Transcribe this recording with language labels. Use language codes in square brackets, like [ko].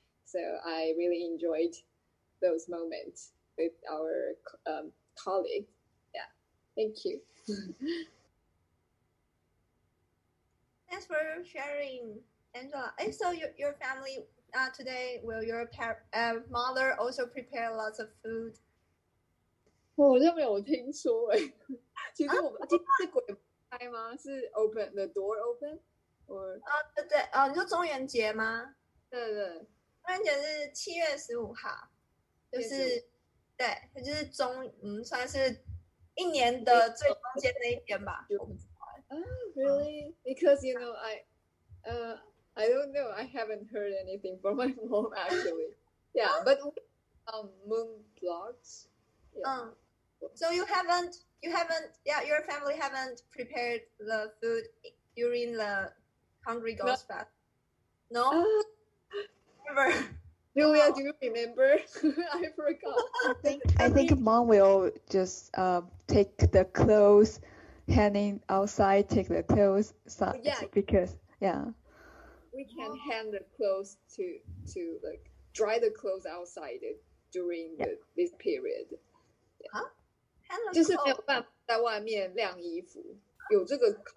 [en] So I really enjoyed those moments with our colleagues. Yeah, thank you. Thanks for sharing, Angela. So your family today, will your mother also prepare lots of food? [zh] 我好像没有听说诶，其实我们这个开吗？ [en] 是 open the door open， [zh] 对，你说中元节吗？对，中元节是7月15号，就是对，就是中算是一年的最中间的一天吧。 [en] Really? Because you know, I don't know, I haven't heard anything from my mom actually. Yeah, but moon blocks. So you haven't, yeah, your family haven't prepared the food during the Hungry Ghost Fest? No? Never. Julia, do you remember? I forgot. I think mom will just take the clothes, hanging outside, take the clothes. We can hang the clothes to like dry the clothes outside during this period. Yeah. Huh? [zh] 就是没有办法在外面晾衣服，有这个